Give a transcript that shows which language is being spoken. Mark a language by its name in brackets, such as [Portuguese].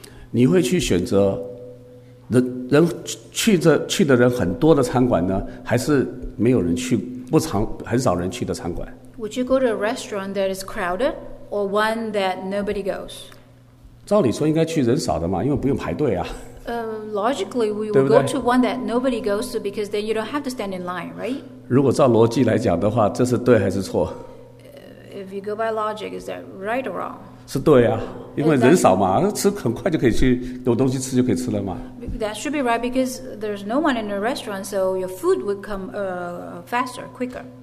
[Chinese] 你会去选择人去的人很多的餐馆呢，还是没有人去不常很少人去的餐馆 [English] ？Would you go to a restaurant that is crowded? Or one that nobody goes. [Chinese] 照理说应该去人少的嘛，因为不用排队啊。 [English] Logically, we will go to one that nobody goes to because then you don't have to stand in line, right? [Chinese] 如果照逻辑来讲的话，这是对还是错？ [English] If you go by logic, is that right or wrong? [Chinese] 是对啊，因为人少嘛，吃很快就可以去有东西吃就可以吃了嘛。 [English] That should be right because there's no one in the restaurant, so your food would come faster, quicker.